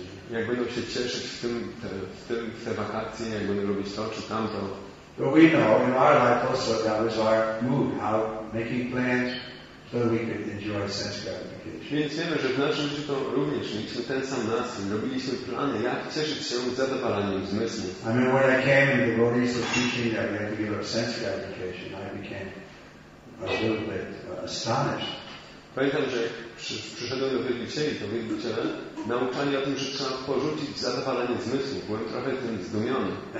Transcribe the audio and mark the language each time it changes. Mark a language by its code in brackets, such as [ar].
[pl] Jak będą się cieszyć w te wakacje, jak będą robić to czy tamto. [en] But we know in our life also that was our mood, how making plans so that we could enjoy sense gratification. [pl] Więc wiemy, że w naszym życiu to również mieliśmy ten sam nastrój. Robiliśmy plany, jak cieszyć się z zadowalaniem zmysłu. [en] I mean, when I came and the devotees were teaching that we had to give up sense gratification, I became a little bit astonished. [pl] Pamiętam, że przyszedłem do wielbiciela, to wielbiciele nauczali o tym, że trzeba porzucić zadowalenie zmysłów. Byłem trochę tym zdumiony.